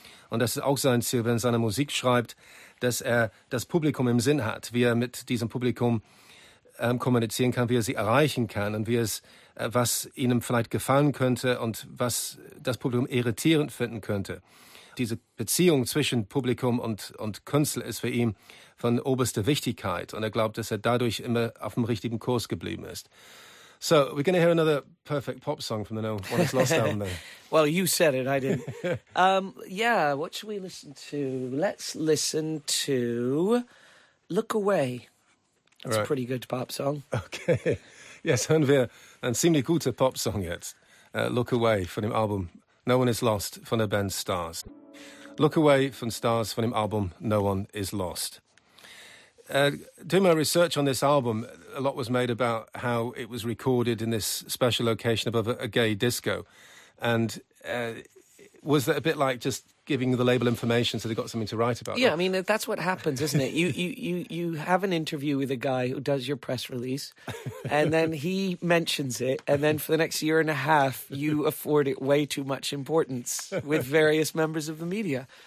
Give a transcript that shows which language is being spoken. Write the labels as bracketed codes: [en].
[de] Und das ist auch sein Ziel, wenn er seine Musik schreibt, dass er das Publikum im Sinn hat, wie er mit diesem Publikum kommunizieren kann, wie er sie erreichen kann und wie es was ihnen vielleicht gefallen könnte und was das Publikum irritierend finden könnte. Diese Beziehung zwischen Publikum und Künstler ist für ihn von oberster Wichtigkeit und er glaubt, dass er dadurch immer auf dem richtigen Kurs geblieben ist. [en] So, we're going to hear another perfect pop song from the No One Is Lost album. Well, you said it, I didn't. what should we listen to? Let's listen to Look Away. That's right. A pretty good pop song. Okay. [de] Yes, hören wir ein ziemlich guter Pop Song jetzt. Look Away von dem Album No One Is Lost von der Band Stars. Look Away von Stars von dem Album No One Is Lost. [en] Doing my research on this album, a lot was made about how it was recorded in this special location above a gay disco. And was that a bit like just giving the label information so they got something to write about? Yeah, I mean, that's what happens, isn't it? You have an interview with a guy who does your press release, and then he mentions it, and then for the next year and a half, you afford it way too much importance with various members of the media.